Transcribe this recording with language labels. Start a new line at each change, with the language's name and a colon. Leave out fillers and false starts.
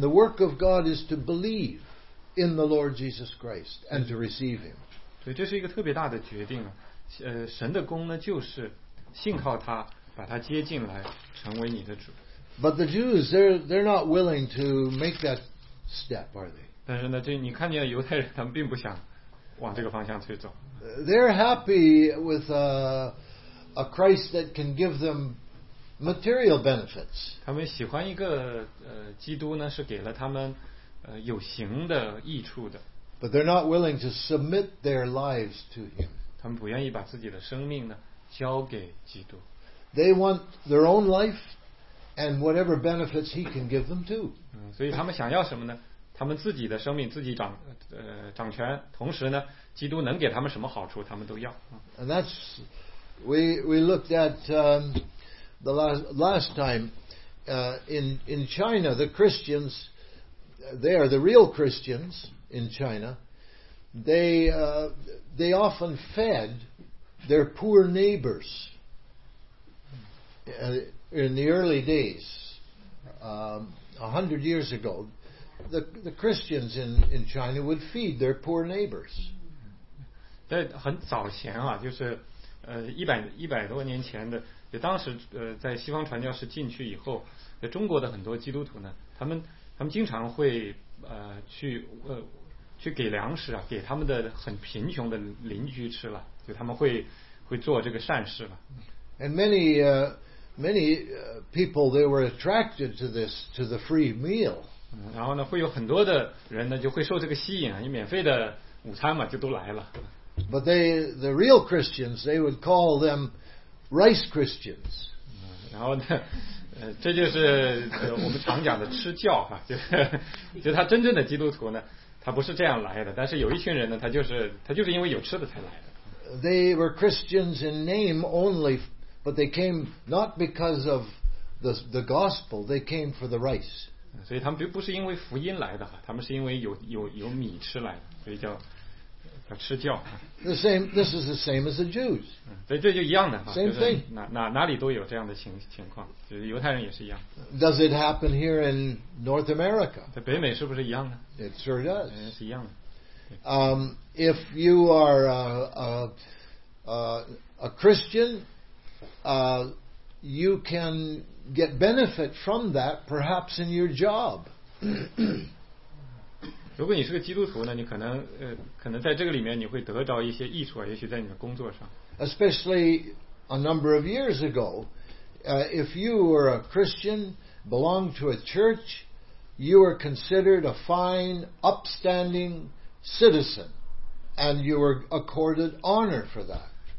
English: The work of God is to believe in the Lord Jesus Christ and to receive Him.
Chinese: 对，这是一个特别大的决定。神的功呢，就是信靠他，把他接进来，成为你的主。
English: But the Jews, they're not willing to make that step, are they?
Chinese: 但是呢，这你看见犹太人，他们并不想往这个方向去走。
English: They're happy with a Christ that can give them material benefits.
Chinese: 他们喜欢一个基督呢，是给了他们有形的益处的。
English: But they're not willing to submit their lives to Him.
Chinese: 他们不愿意把自己的生命呢交给基督。
English: They want their own life and whatever benefits He can give them too.
Chinese: 所以他们想要什么呢？他们自己的生命自己掌权，同时呢，基督能给他们什么好处，他们都要。
English: And that's we looked at the last time in China, the Christians there, the real Christians in China, they often fed their poor neighbors in the early days, 100 years ago. The Christians in China would feed their poor neighbors.
Chinese: 在很早前啊，就是一百多年前的，就当时在西方传教士进去以后，在中国的很多基督徒呢，他们经常会去给粮食啊，给他们的很贫穷的邻居吃了，就他们会做这个善事了。
English: And many many people they were attracted to this to the free meal.
Chinese: 然后呢，会有很多的人呢，就会受这个吸引啊，免费的午餐嘛，就都来了。
English: But they, the real Christians, they would call them rice Christians.
Chinese: 然后呢，这就是我们常讲的吃教哈、啊，就他真正的基督徒呢，他不是这样来的。但是有一群人呢，他就是因为有吃的才来的。
English: They were Christians in name only, but they came not because of the gospel. They came for the rice.
Chinese: 所以他们不是因为福音来的，他们是因为有米吃来的，所以叫吃教。
English: This is the same as the Jews.
Chinese: 所以这就一样的。
English: Same thing.
Chinese: 哪里都有这样的情况，就是犹太人也是一样。
English: Does it happen here in North America?
Chinese: 在北美是不是一样的？
English: It sure does.
Chinese: 是一样的。
English: If you are a Christian, you can. Get benefit from that, perhaps in your job.
Chinese: 如果你是个基督徒呢，你可能在这个里面你会得到一些益处啊，也许在你的工作上。
English: Especially a number of years ago, if you were a Christian, belonged to a church, you were considered a fine, upstanding citizen, and you were accorded honor for that.